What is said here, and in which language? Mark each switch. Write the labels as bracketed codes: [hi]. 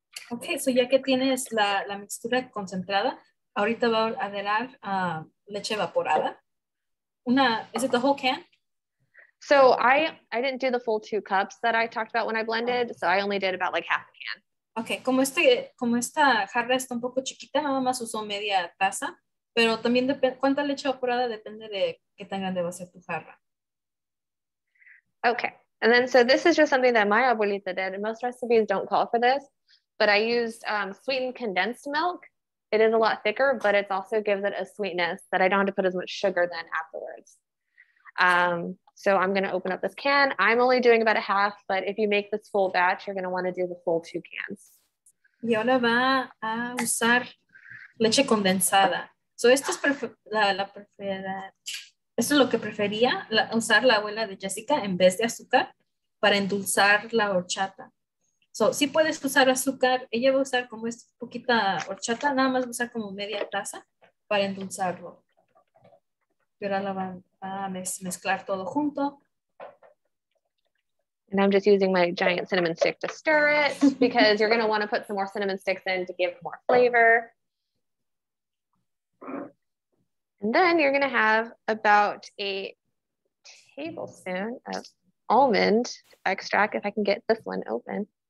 [es] Okay. So ya que tienes la mixtura concentrada, ahorita va a adelar leche evaporada. [en] Is it the whole can? So I didn't do the full 2 cups that I talked about when I blended. So I only did about like half a can. [es] Okay, como esta jarra está un poco chiquita, nada más uso media taza. Pero también cuánta leche evaporada depende de qué tan grande va a ser tu jarra. [en] Okay, and then so this is just something that my abuelita did. Most recipes don't call for this, but I used sweetened condensed milk. It is a lot thicker, but it also gives it a sweetness that I don't have to put as much sugar then afterwards. So I'm going to open up this can. I'm only doing about a half, but if you make this full batch, you're going to want to do the full 2 cans. [es] Y ahora va a usar leche condensada. So esto es la preferida. Esto es lo que prefería, usar la abuela de Jessica en vez de azúcar para endulzar la horchata. So, sí puedes usar azúcar, ella va a usar como es poquita horchata, nada más va a usar como media taza para endulzarlo. Y ahora la van a mezclar todo junto. [en] And I'm just using my giant cinnamon stick to stir it because you're going to want to put some more cinnamon sticks in to give more flavor. And then you're going to have about a tablespoon of almond extract, if I can get this one open.